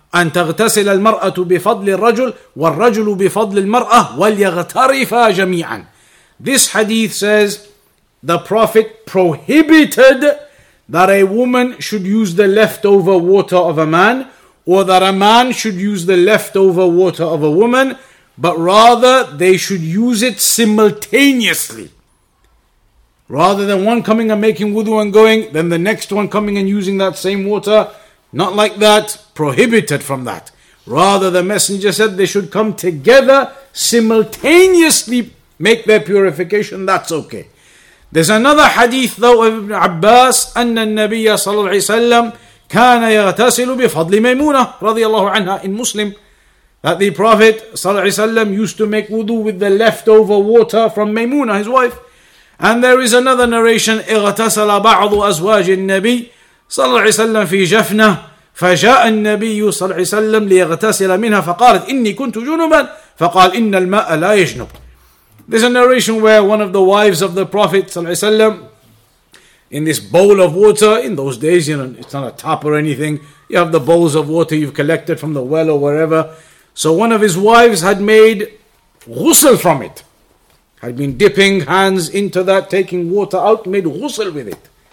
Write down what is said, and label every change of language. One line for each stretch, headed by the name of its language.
Arabic: أن تغتسل المرأة بفضل الرجل والرجل بفضل المرأة وليغترفا جميعا.
English: This hadith says the Prophet prohibited that a woman should use the leftover water of a man, or that a man should use the leftover water of a woman, but rather they should use it simultaneously. Rather than one coming and making wudu and going, then the next one coming and using that same water. Not like that, prohibited from that. Rather, the messenger said they should come together, simultaneously make their purification, that's okay. There's another hadith though of Ibn Abbas,
Arabic: أَنَّ النَّبِيَّ صَلَى اللَّهِ عَلَيْهِ كَانَ يَغْتَسِلُ بِفَضْلِ مَيْمُونَةِ رَضِيَ اللَّهُ عَنْهَا
English: in Muslim, that the Prophet used to make wudu with the leftover water from Maymuna, his wife. And there is another narration,
Arabic: اِغْتَسَلَ بَعْضُ أَزْوَاجِ النَّبِيِّ صلى الله عليه وسلم في جفنة فجاء النبي صلى الله عليه وسلم ليغتسل منها فقالت إني كنت جنبا فقال إن الماء لا يجنب.
English: There's a narration where one of the wives of the Prophet
Arabic: صلى الله عليه وسلم,
English: in this bowl of water, in those days, you know, it's not a tap or anything, you have the bowls of water you've collected from the well or wherever, so one of his wives had made ghusl from it, had been dipping hands into that, taking water out, made ghusl with it.